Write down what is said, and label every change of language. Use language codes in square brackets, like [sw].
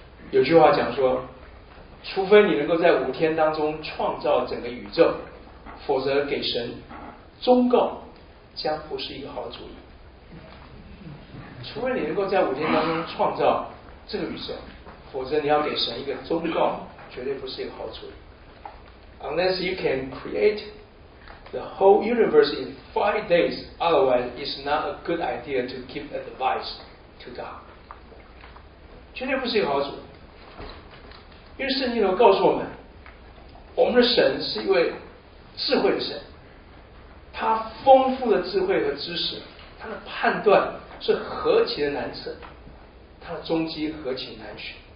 [zh] 有句话讲说，除非你能够在五天当中创造整个宇宙，否则给神忠告将不是一个好主意。除非你能够在五天当中创造这个宇宙，否则你要给神一个忠告，绝对不是一个好主意。 [en] Unless you can create the whole universe in 5 days, otherwise it's not a good idea to give advice to God. [zh] 绝对不是一个好主意。因为圣经都告诉我们，我们的神是一位智慧的神，他丰富的智慧和知识，他的判断是何其的难测，他的终极何其难寻。